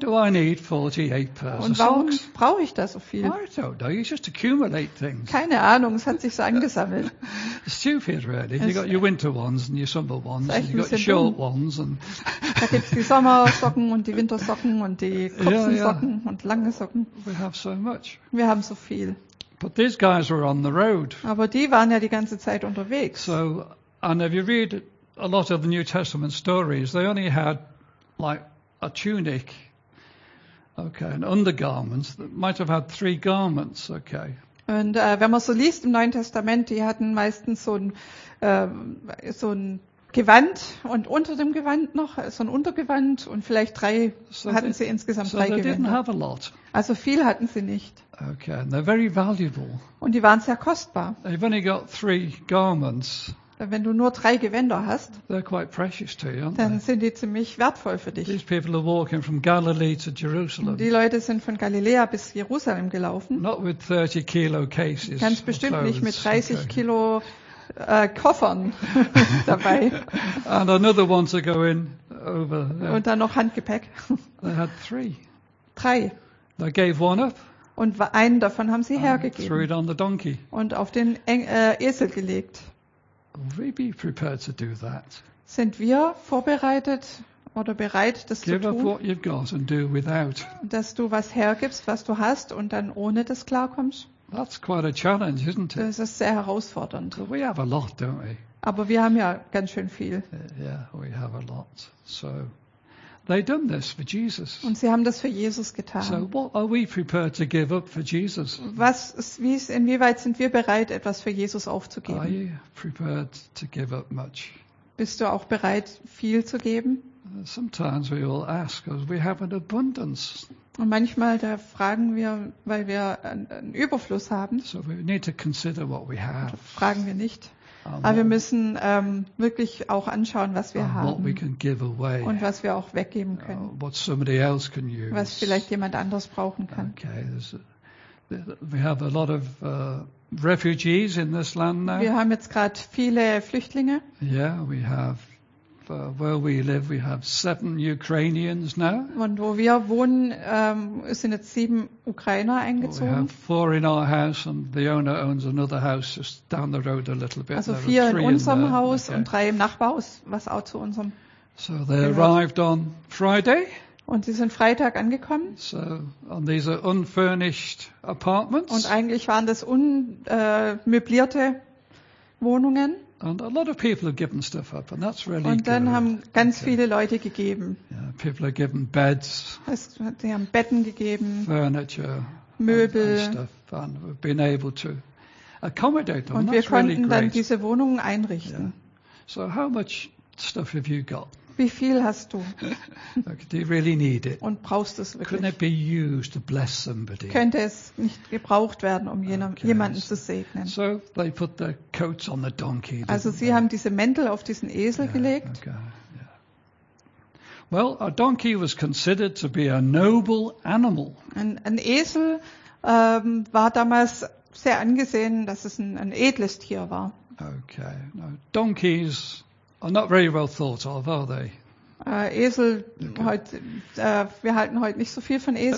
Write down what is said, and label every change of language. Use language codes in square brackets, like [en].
[en] Why do I need 48 pairs [de] und warum [en] of socks? [de] Brauche ich da so viel? [en] I don't know. You just accumulate things. [de] Keine Ahnung, es hat sich so angesammelt. [en] Stupid, really. You got your winter ones and your summer ones and you got your short ones and. [de] Da gibt's die Sommersocken und die Wintersocken und die kurzen Socken und lange Socken. [en] We have so much. [de] Wir haben so viel. [en] But these guys were on the road. [de] Aber die waren ja die ganze Zeit unterwegs. [en] So, and if you read a lot of the New Testament stories, they only had like a tunic, okay, an undergarment, that might have had three garments, okay. [de] Und wenn man so liest im Neuen Testament, die hatten meistens so ein Gewand und unter dem Gewand noch so ein Untergewand und vielleicht drei, so hatten sie insgesamt drei Gewänder. Also viel hatten sie nicht. [en] Okay, and they're very valuable. [de] Und die waren sehr kostbar. [en] You've only got three garments, [de] wenn du nur drei Gewänder hast, [en] they're quite precious to you, aren't [de] dann [en] they? [de] Sind die ziemlich wertvoll für dich. [en] These people are walking from Galilee to Jerusalem. [de] Die Leute sind von Galiläa bis Jerusalem gelaufen. [en] Not with 30 kilo cases. [de] Ganz bestimmt nicht mit 30 okay. Kilo Koffern dabei. [en] And another one to go in over there. [de] Und dann noch Handgepäck. [en] They had three. [de] Drei. [en] They gave one up. [de] Und einen davon haben sie hergegeben. [en] Threw it on the donkey. [de] Und auf den Esel gelegt. [en] Will we be prepared to do that? [de] Sind wir vorbereitet oder bereit, das [en] Give [de] zu tun? [en] Give up what you've got and do without. [de] Dass du was hergibst, was du hast, und dann ohne das klarkommst? [en] That's quite a challenge, isn't it? [de] Das ist sehr herausfordernd. [en] But we have a lot, don't we? [de] Aber wir haben ja ganz schön viel. [en] Yeah, we have a lot. So they done this for Jesus. [de] Und sie haben das für Jesus getan. [en] So what are we prepared to give up for Jesus? [de] Inwieweit sind wir bereit, etwas für Jesus aufzugeben? [en] Are you prepared to give up much? [de] Bist du auch bereit, viel zu geben? [en] Sometimes we all ask because we have an abundance. [de] Und manchmal da fragen wir, weil wir einen Überfluss haben. [en] So we need to consider what we have. [de] Fragen wir nicht. Aber wir müssen wirklich auch anschauen, was wir haben. [en] What we can give away. [de] Und was wir auch weggeben können. [en] What somebody else can use. [de] Was vielleicht jemand anderes brauchen kann. [en] Okay, we have a lot of refugees in this land now. [de] Wir haben jetzt gerade viele Flüchtlinge. [en] Yeah, we have. Where we live, we have 7 Ukrainians now. [de] Und wo wir wohnen, sind jetzt 7 Ukrainer eingezogen. [en] We have 4 in our house, and the owner owns another house just down the road a little bit. [de] Also 4 in unserem Haus und 3 im Nachbarhaus, was auch zu unserem. [en] So they arrived on Friday. [de] Und sie sind Freitag angekommen. [en] So on these are unfurnished apartments. [de] Und eigentlich waren das unmöblierte Wohnungen. [en] And a lot of people have given stuff up, and that's really [de] good. Und dann [en] good. [de] Haben ganz okay. viele Leute gegeben. [en] Yeah, people have given beds. [de] Sie haben Betten gegeben. [en] Furniture. [de] Möbel. [en] And stuff, and we've been able to accommodate them. [de] Und wir [en] that's [de] konnten [en] really [de] dann diese Wohnungen einrichten. [en] Yeah. So how much stuff have you got? [de] Wie viel hast du? [en] Okay, do you really need it? [de] Und brauchst es wirklich? [en] Couldn't it be used to bless somebody? [de] Könnte es nicht gebraucht werden, um jemanden zu segnen? [en] So they put their coats on the donkey, didn't [de] also sie [en] they? [de] Haben diese Mäntel auf diesen Esel gelegt. [en] Okay, yeah. Well, a donkey was considered to be a noble animal. [de] Ein Esel war damals sehr angesehen, dass es ein edles Tier war. [en] Okay, now, donkeys are not very well thought of, are they? [de] Esel, okay. Wir halten heute nicht so viel von Esel.